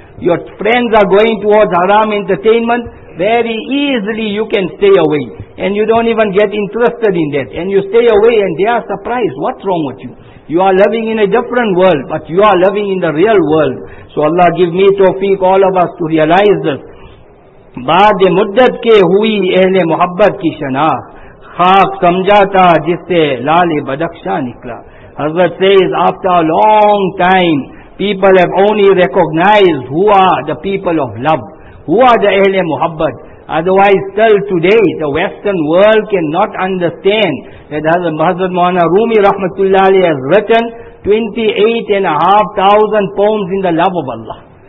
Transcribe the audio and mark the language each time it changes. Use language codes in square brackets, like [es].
[en] Your friends are going towards haram entertainment. Very easily you can stay away. And you don't even get interested in that. And you stay away and they are surprised. What's wrong with you? You are living in a different world, but you are living in the real world. So Allah give me tawfiq, all of us, to realize this. [ur] بعد مدت کے ہوئی اہل محبت کی شناخت خاک سمجھا تھا جس سے لال بدخشاں نکلا. [en] Hazrat says, after a long time, people have only recognized who are the people of love, who are the [ur] اہل محبت. [en] Otherwise, till today, the Western world cannot understand that Hazrat Maulana Rumi Rahmatullah Ali has written 28,500 poems in the love of Allah.